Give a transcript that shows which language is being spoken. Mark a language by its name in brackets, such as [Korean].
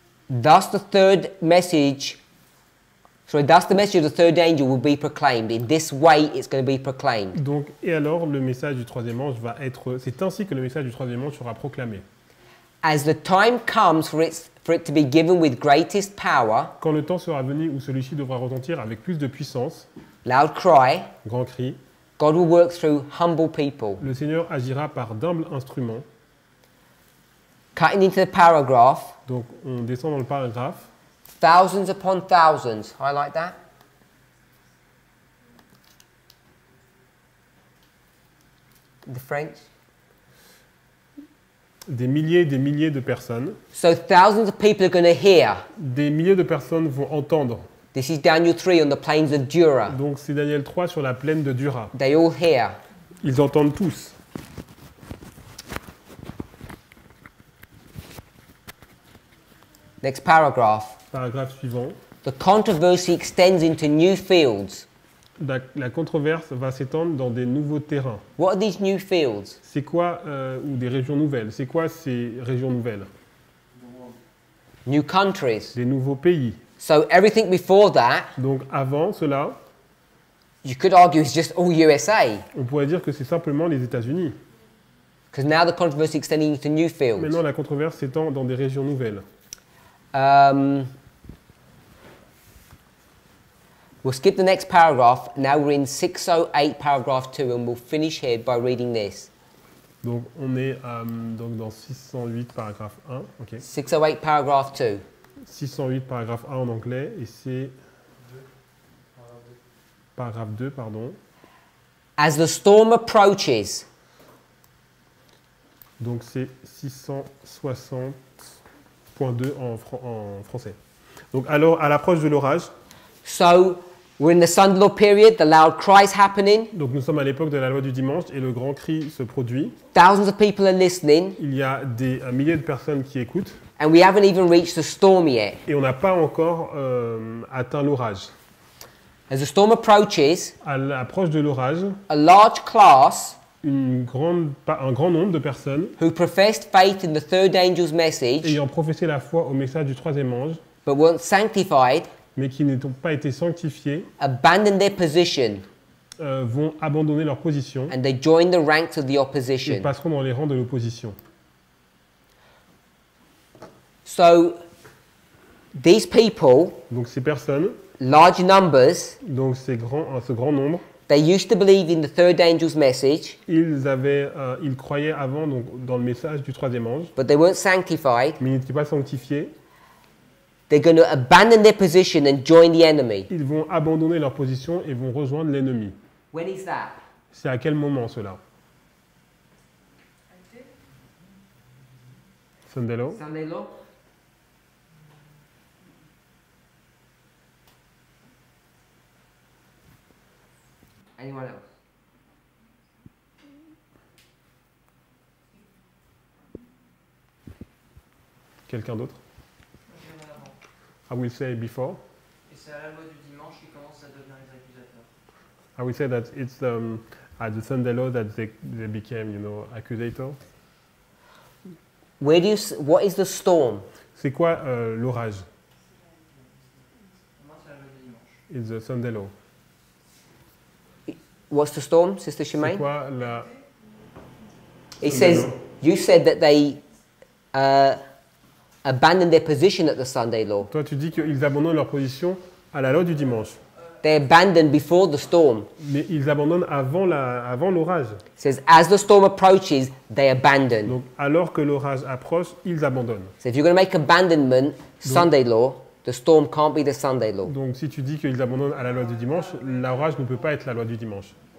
[English] Thus the third message, sorry, thus the message of the third angel will be proclaimed. In this way, it's going to be proclaimed. [French] Donc, et alors, le message du troisième ange va être, c'est ainsi que le message du troisième ange sera proclamé. [English] As the time comes for it to be given with greatest power. [French] Quand le temps sera venu où celui-ci devra retentir avec plus de puissance. [English] Loud cry. [French] Grand cri. [English] God will work through humble people. [French] Le Seigneur agira par d'humbles instruments. [English] Cutting into the paragraph. [French] Donc on descend dans le paragraphe. [English] Thousands upon thousands. I like that. The French. [French] Des milliers de personnes. [English] So thousands of people are going to hear. [French] Des milliers de personnes vont entendre. [English] This is Daniel 3 on the plains of Dura. [French] Donc c'est Daniel 3 sur la plaine de Dura. [English] They all hear. [French] Ils entendent tous. [English] Next paragraph. [French] Paragraphe suivant. [English] The controversy extends into new fields. [French] La controverse va s'étendre dans des nouveaux terrains. [English] What are these new fields? [French] C'est quoi ou des régions nouvelles? C'est quoi ces régions nouvelles? [English] New countries. [French] Des nouveaux pays. [English] So everything before that. [French] Donc avant cela. [English] You could argue it's just all USA. [French] On pourrait dire que c'est simplement les États-Unis. [English] Because now the controversy extending into new fields. [French] Maintenant la controverse s'étend dans des régions nouvelles. [English] We'll skip the next paragraph. Now we're in 608, paragraph 2, and we'll finish here by reading this. [French] Donc on est donc dans 608, paragraphe 1. Okay. [English] 608, paragraph 2. [French] 608, paragraphe 1 en anglais, et c'est... Paragraphe 2, pardon. [English] As the storm approaches. [French] Donc c'est 660.2 en français. Donc alors, à l'approche de l'orage... [English] So... We're in the Sunday law period, the loud cry is happening. [French] Donc nous sommes à l'époque de la loi du dimanche et le grand cri se produit. [English] Thousands of people are listening. [French] Il y a des milliers de personnes qui écoutent. [English] And we haven't even reached the storm yet. [French] Et on n'a pas encore atteint l'orage. [English] As the storm approaches, [French] à l'approche de l'orage, [English] a large class, [French] un grand nombre de personnes, [English] who professed faith in the third angel's message, [French] ayant professé la foi au message du troisième ange, [English] but weren't sanctified, [French] mais qui n'ont pas été sanctifiés, [English] abandon their position, [French] vont abandonner leur position, [English] and they join the ranks of the opposition, [French] et passeront dans les rangs de l'opposition. [English] So, these people, [French] donc ces personnes, [English] large numbers, [French] donc ces grands, ce grand nombre, [English] they used to believe in the third angel's message, [French] ils croyaient avant donc, dans le message du troisième ange, [English] but they weren't sanctified, [French] mais ils n'étaient pas sanctifiés. [English] They're going to abandon their position and join the enemy. [French] Ils vont abandonner leur position et vont rejoindre l'ennemi. [English] When is that? [French] C'est à quel moment cela? [English] Sunday law? Sunday law? Anyone else? [French] Quelqu'un d'autre? [English] I will say before. [French] Et c'est à la loi du dimanche qui commence à devenir les accusateurs. [English] I will say that it's at the Sunday law that they became, you know, accusator. Where do you what is the storm? [French] C'est quoi l'orage? Comment c'est la loi du dimanche? [English] It's the Sunday law. What's the storm, Sister Shemaine? [French] C'est quoi la? [English] It Sunday says law. You said that they. Abandon their position at the Sunday law. [French] Toi, tu dis qu'ils abandonnent leur position à la loi du dimanche. [English] They abandon before the storm. [French] Mais ils abandonnent avant l'orage. [English] It says, as the storm approaches, they abandon. [French] Donc, alors que l'orage approche, ils abandonnent. [English] So if you're going to make abandonment Sunday law, the storm can't be the Sunday law. [French] Donc, si tu dis qu'ils abandonnent à la loi du dimanche, l'orage ne peut pas être la loi du dimanche.